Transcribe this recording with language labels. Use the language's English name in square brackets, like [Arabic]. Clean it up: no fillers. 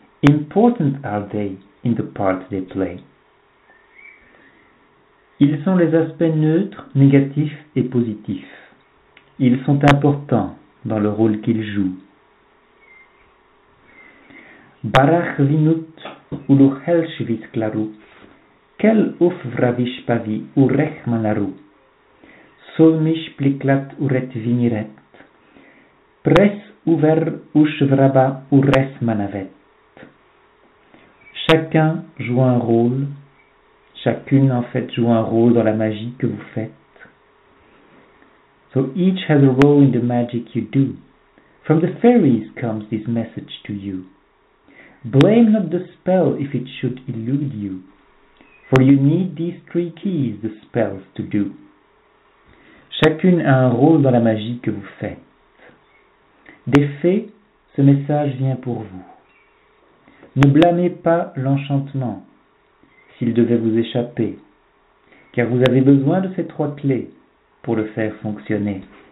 [English] Important are they in the part they play. [French] Ils sont les aspects neutres, négatifs et positifs. Ils sont importants dans le rôle qu'ils jouent. Barach vinut ulu helsh visklaru, kel uf vravish pavi urech manaru, solmish pliklat uret viniret, pres uver ush vraba ures manavet. Chacun joue un rôle. Chacune, en fait, joue un rôle dans la magie que vous faites. [English] So each has a role in the magic you do. From the fairies comes this message to you. Blame not the spell if it should elude you. For you need these three keys, the spells, to do. [French] Chacune a un rôle dans la magie que vous faites. Des fées, ce message vient pour vous. Ne blâmez pas l'enchantement s'il devait vous échapper, car vous avez besoin de ces trois clés pour le faire fonctionner.